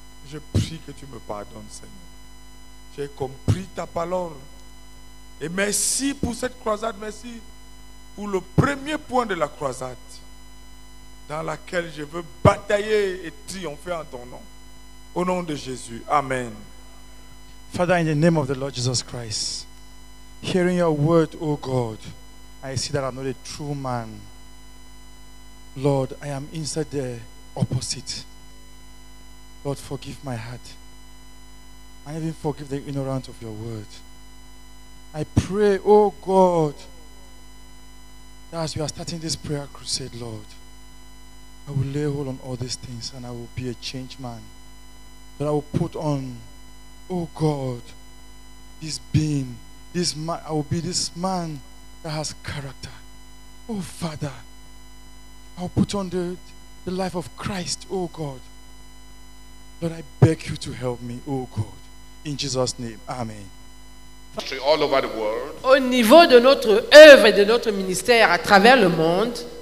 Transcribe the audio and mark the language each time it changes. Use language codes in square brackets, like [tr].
[fr] Je prie que tu me pardonnes, Seigneur. J'ai compris ta parole. Et merci pour cette croisade. Merci pour le premier point de la croisade dans laquelle je veux batailler et triompher en ton nom. Au nom de Jésus. Amen. [en] Father, in the name of the Lord Jesus Christ, hearing your word, O God, I see that I'm not a true man. Lord, I am inside the opposite. Lord, forgive my heart. And even forgive the ignorance of your word. I pray, oh God, that as we are starting this prayer crusade, Lord, I will lay hold on all these things and I will be a changed man. But I will put on, oh God, this being, this man, I will be this man that has character. Oh Father, I will put on the life of Christ, oh God. But I beg you to help me, oh God, in Jesus' name, amen. All over the world. [fr] Au niveau de notre œuvre et de notre ministère à travers le monde,